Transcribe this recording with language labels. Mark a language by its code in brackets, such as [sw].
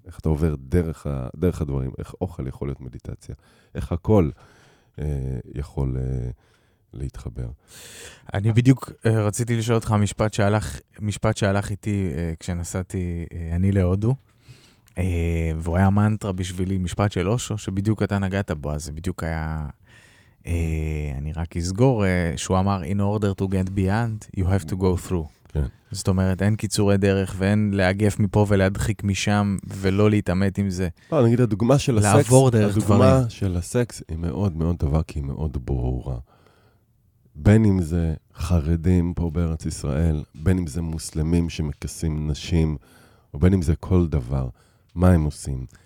[he] איך אתה עובר דרך הדברים, איך אוכל יכול להיות מדיטציה, איך הכל יכול להתחבר. אני בדיוק רציתי לשאול אותך משפט שהלך איתי כשנסעתי אני להודו, והוא היה מנטרה בשבילי, משפט של אושו, שבדיוק אתה נגעת בו, אז זה בדיוק היה... אני רק אסגור, שהוא אמר, [en] in order to get beyond, you have to go through. [he] כן. זאת אומרת, אין קיצורי דרך ואין להגיף מפה ולהדחיק משם ולא להתעמת עם זה. לא, נגיד, הדוגמה של הסקס, לעבור דרך הדוגמה דברים. הדוגמה של הסקס היא מאוד מאוד טובה, כי היא מאוד ברורה. בין אם זה חרדים פה בארץ ישראל, בין אם זה מוסלמים שמכסים נשים, או בין אם זה כל דבר, מה הם עושים?